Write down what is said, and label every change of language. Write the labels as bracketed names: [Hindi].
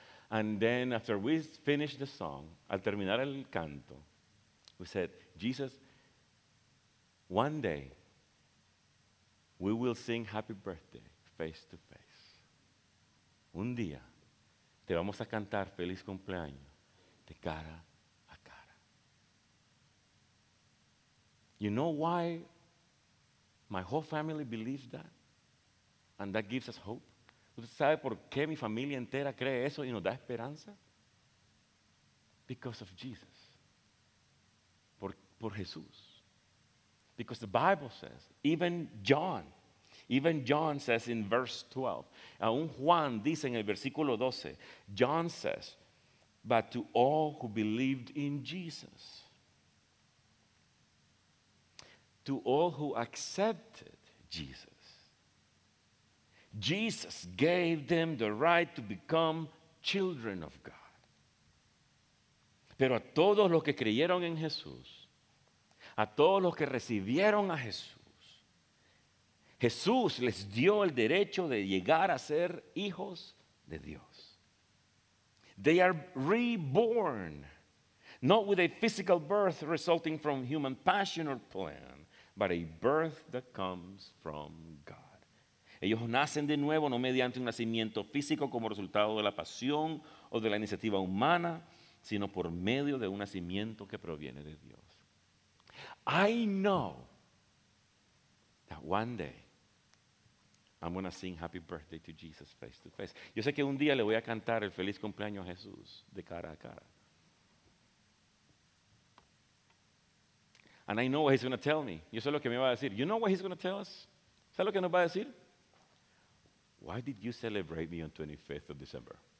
[English] And then after we finished the song, [Spanish] al terminar el canto, [English] we said, Jesus, one day we will sing happy birthday face to face. [Spanish] Un día te vamos a cantar feliz cumpleaños de cara a cara. [English] You know why my whole family believes that? And that gives us hope. [Spanish] ¿Usted sabe por qué mi familia entera cree eso y nos da esperanza? [English] Because of Jesus. [Spanish] Por Jesús. [English] Because the Bible says, even John says in verse 12, [Spanish] aun Juan dice en el versículo 12, [English] John says, but to all who believed in Jesus, to all who accepted Jesus, Jesus gave them the right to become children of God. [Spanish] Pero a todos los que creyeron en Jesús, a todos los que recibieron a Jesús, Jesús les dio el derecho de llegar a ser hijos de Dios. [English] They are reborn, not with a physical birth resulting from human passion or plan, but a birth that comes from God. [Spanish] Ellos nacen de nuevo, no mediante un nacimiento físico como resultado de la pasión o de la iniciativa humana, sino por medio de un nacimiento que proviene de Dios. [English] I know that one day, I'm going to sing happy birthday to Jesus face to face. [Spanish] Yo sé que un día le voy a cantar el feliz cumpleaños a Jesús de cara a cara. [English] And I know what he's going to tell me. [Spanish] Yo sé lo que me va a decir. [English] You know what he's going to tell us? [Spanish] ¿Sabes lo que nos va a decir? [English] Why did you celebrate me on 25th of December?